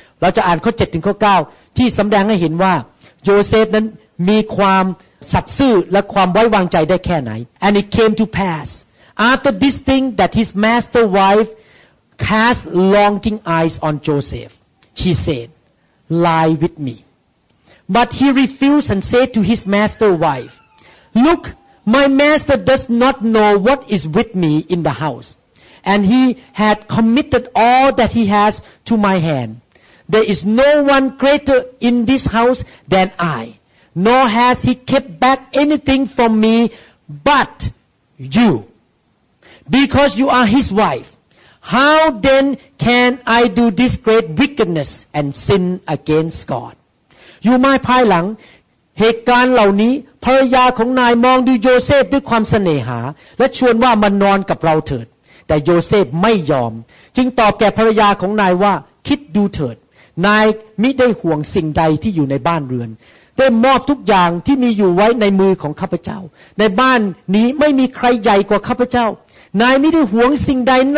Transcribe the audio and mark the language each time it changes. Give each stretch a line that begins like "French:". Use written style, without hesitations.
Thai: เราจะอ่านข้อ7ถึงข้อ9ที่สำแดงให้เห็นว่าโยเซฟนั้นมีความสัตย์ซื่อและความไว้วางใจได้แค่ไหน
English: And it came to pass after this thing that his master wife cast longing eyes on Joseph. She said, "Lie with me." But he refused and said to his master wife, "Look, my master does not know what is with me in the house, and he had committed all that he has to my hand. There is no one greater in this house than I, nor has he kept back anything from me but you. Because you are his wife, how then can I do this great wickedness and sin against God?
Thai: อยู่มาภายหลังเหตุการณ์เหล่านี้ภรรยาของนายมองดูโยเซฟด้วยความเสน่หาและชวนว่ามานอนกับเราเถิดแต่โยเซฟไม่ยอมจึงตอบแก่ภรรยาของนายว่าคิดดูเถิดนายมิได้ห่วงสิ่งใดที่อยู่ในบ้านเรือนได้มอบทุกอย่างที่มีอยู่ไว้ในมือของข้าพเจ้าในบ้านนี้ไม่มีใครใหญ่กว่าข้าพเจ้านายมิได้ห่วงสิ่งใด